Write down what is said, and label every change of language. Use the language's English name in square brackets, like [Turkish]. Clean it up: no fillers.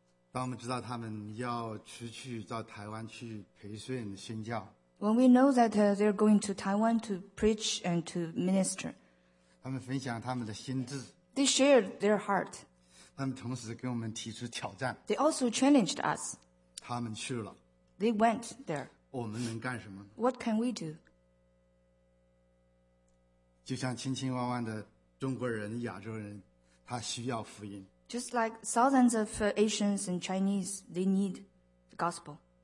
[Chinese] 当我们知道他们要持续到台湾去培训宣教。 [English] When we know that they're going to Taiwan to preach and to minister. [Chinese] 他们分享他们的心智。 [English] They shared their heart. [Chinese] 他们同时给我们提出挑战。 [English] They also challenged us. [Chinese] 他们去了。 [English] They went there. [Chinese] 我们能干什么? [English] What can we do? [Chinese] 就像千千万万的中国人、亚洲人，他需要福音。 [English] Just like thousands of Asians and Chinese, they need the gospel.